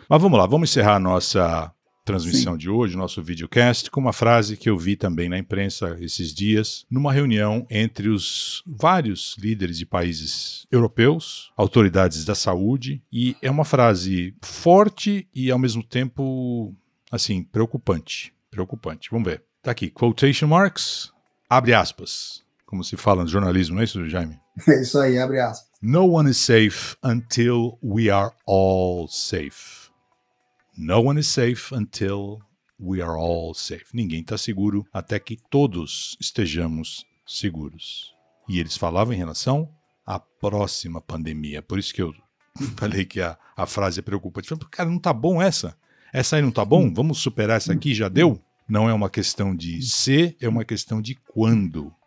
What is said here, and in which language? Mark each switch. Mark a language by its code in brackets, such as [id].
[pt] Mas vamos lá, vamos encerrar a nossa transmissão de hoje, nosso videocast, com uma frase que eu vi também na imprensa esses dias, numa reunião entre os vários líderes de países europeus, autoridades da saúde, e é uma frase forte e, ao mesmo tempo, assim, preocupante. Preocupante. Vamos ver. Tá aqui, [en] quotation marks, [pt] abre aspas. Como se fala no jornalismo, não é isso, Jaime? É isso aí, abre aspas. [en] No one is safe until we are all safe. No one is safe until we are all safe. [pt] Ninguém está seguro até que todos estejamos seguros. E eles falavam em relação à próxima pandemia. Por isso que eu falei que a frase é preocupante. Falei, cara, não está bom essa? Essa aí não está bom? Vamos superar essa aqui? Já deu? Não é uma questão de se, é uma questão de quando.